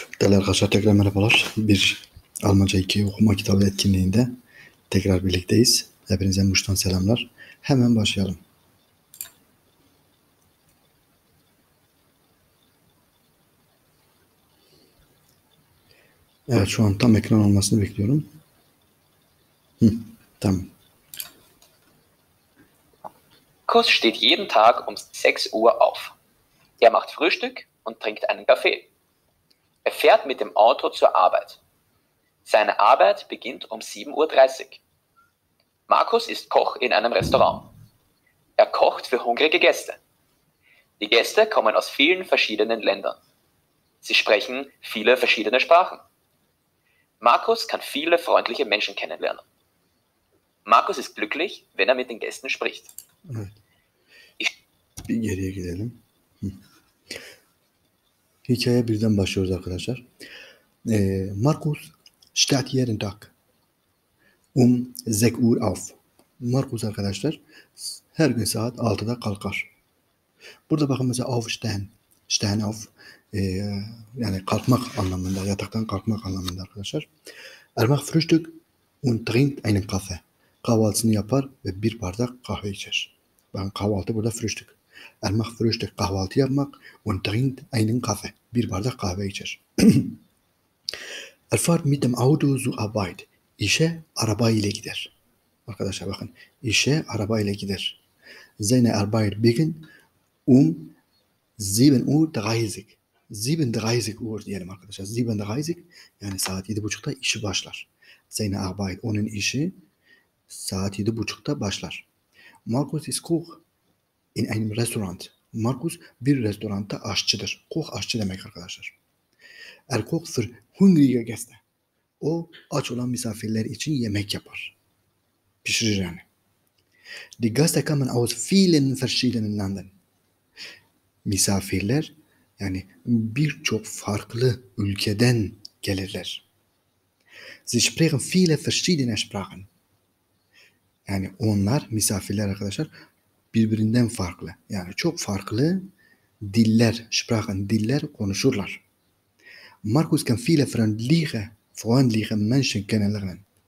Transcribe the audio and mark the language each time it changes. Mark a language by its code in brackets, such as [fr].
[tr] Arkadaşlar tekrar merhabalar. Bir Almanca 2 okuma kitabı etkinliğinde tekrar birlikteyiz. Hepinize Muş'tan selamlar. Hemen başlayalım. Evet, şu an tam ekran olmasını bekliyorum. Tamam. [de] Kuss steht jeden Tag um 6 Uhr auf. Er macht Frühstück und trinkt einen Kaffee. Er fährt mit dem Auto zur Arbeit. Seine Arbeit beginnt um 7.30 Uhr. Markus ist Koch in einem Restaurant. Er kocht für hungrige Gäste. Die Gäste kommen aus vielen verschiedenen Ländern. Sie sprechen viele verschiedene Sprachen. Markus kann viele freundliche Menschen kennenlernen. Markus ist glücklich, wenn er mit den Gästen spricht. [tr] Ich bin geriye gidelim. Hikaye birden başlıyoruz arkadaşlar. [de] Markus steht jeden Tag um 6 Uhr auf. [tr] Markus arkadaşlar her gün saat 6'da kalkar. Burada bakın mesela aufstehen, stehen auf, yani kalkmak anlamında, yataktan kalkmak anlamında arkadaşlar. [de] Er macht Frühstück und trinkt einen Kaffee. [tr] Kahvaltısını yapar ve bir bardak kahve içer. Bakın kahvaltı burada Frühstück. [de] Er macht Frühstück, [tr] kahvaltı yapmak [de] und trinkt einen Kaffee. [tr] Bir bardak kahve içer. [de] Er fährt mit dem Auto zur Arbeit. [tr] İşe araba ile gider. Arkadaşlar bakın. İşe araba ile gider. [de] Seine Arbeit beginnt um 7.30 Uhr. [tr] 7.30 Uhr diyelim arkadaşlar. 7.30 yani saat 7.30'da işi başlar. [de] Seine Arbeit, [tr] onun işi saat 7.30'da başlar. [de] Markus ist Koch in einem Restaurant. [tr] Markus bir restoranda aşçıdır. Koch aşçı demek arkadaşlar. [de] Er kocht für hungrige Gäste. [tr] O aç olan misafirler için yemek yapar. Pişirir yani. [de] Die Gäste kommen aus vielen verschiedenen Ländern. [tr] Misafirler yani birçok farklı ülkeden gelirler. [de] Sie sprechen viele verschiedene Sprachen. [tr] Yani onlar misafirler arkadaşlar birbirinden farklı. Yani çok farklı diller, sprachen, diller konuşurlar. [de] Markus kann viele freundliche Menschen kennenlernen.